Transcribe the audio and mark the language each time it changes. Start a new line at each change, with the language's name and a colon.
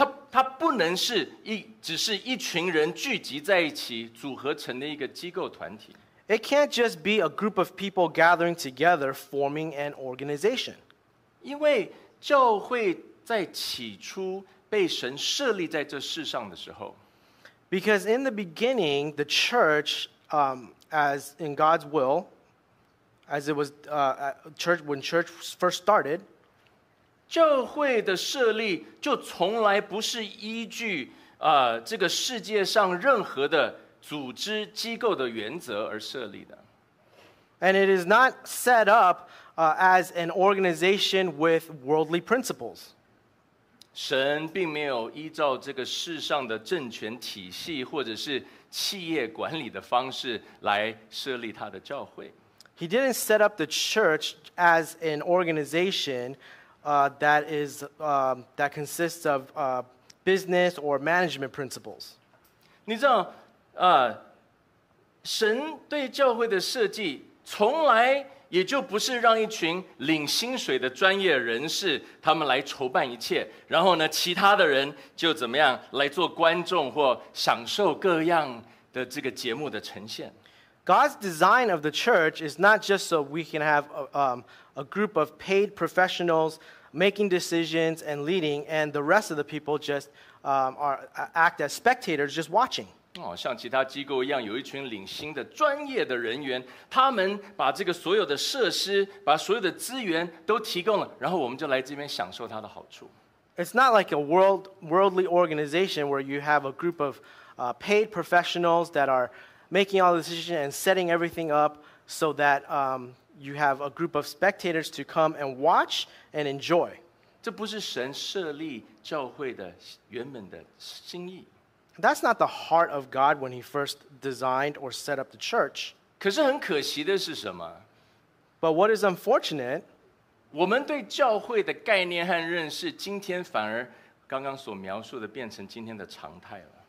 Chinese: 它不能是只是一群人聚集在一起组合成的一个机构团体。
English: It can't just be a group of people gathering together forming an organization.
Chinese: 因为教会在起初被神设立在这世上的时候
English: ，Because in the beginning, the church, as in God's will, as it was, church when church first started,
Chinese: 教会的设立就从来不是依据这个世界上任何的组织机构的原则而设立的
English: ，And it is not set up as an organization with worldly principles.
Chinese: 神并没有依照这个世上的政权体系或者是企业管理的方式来设立他的教会。
English: He didn't set up the church as an organization that consists of business or management principles.
Chinese: 你知道，神对教会的设计从来也就不是让一群领薪水的专业人士他们来筹办一切，然后呢，其他的人就怎么样来做观众或享受各样的这个节目的呈现。
English: God's design of the church is not just so we can have a group of paid professionals making decisions and leading, and the rest of the people just act as spectators, just watching.
Chinese: 像其他机构一样，有一群领薪的专业的人员，他们把这个所有的设施、把所有的资源都提供了，然后我们就来这边享受它的好处。
English: It's not like a worldly organization where you have a group of paid professionals that are making all the decisions and setting everything up so that you have a group of spectators to come and watch and enjoy.
Chinese: 这不是神设立教会的原本的心意。
English: That's not the heart of God when he first designed or set up the church.
Chinese: 可是很可惜的是什么?
English: But what is unfortunate,
Chinese: 我们对教会的概念和认识今天反而刚刚所描述的变成今天的常态了。